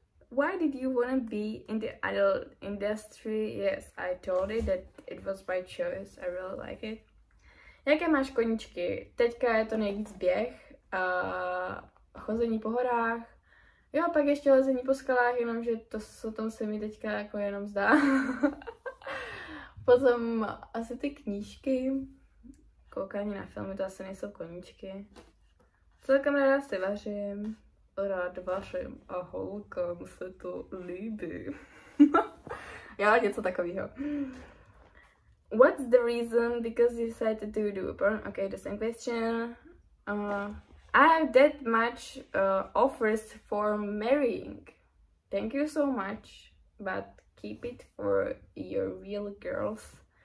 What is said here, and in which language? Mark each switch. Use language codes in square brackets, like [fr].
[en] Why did you want to be in the adult industry? Yes, I told it that it was by choice. I really like it. [cs] Jaké máš koníčky? Teďka je to nejvíc běh. Chození po horách, Jo, a pak ještě lezení po skalách, jenomže to o tom se mi teďka jako jenom zdá. Potom asi ty knížky, koukání na filmy, to asi nejsou koníčky. Celkem ráda si vařím, rád vařím a holkám se to líbí. Jo, něco takového. [en] What's the reason because you said to do porn? Okay, the same question. I have that much offers for marrying. Thank you so much, but keep it for your real girls.